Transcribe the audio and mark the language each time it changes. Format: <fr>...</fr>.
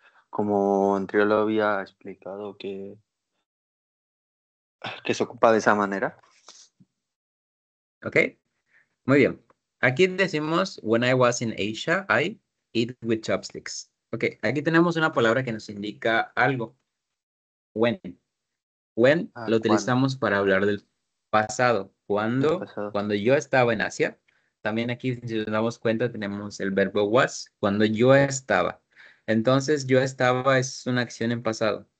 <es>Como anterior lo había explicado que se ocupa de esa manera. Ok. Muy bien. Aquí decimos,</es> <en>when I was in Asia, I eat with chopsticks.</en> <es>Ok. Aquí tenemos una palabra que nos indica algo. When. When lo utilizamos ¿cuándo? Para hablar del pasado. Cuando yo estaba en Asia, también aquí si nos damos cuenta tenemos el verbo was, cuando yo estaba. Entonces, yo estaba es una acción en pasado.</es>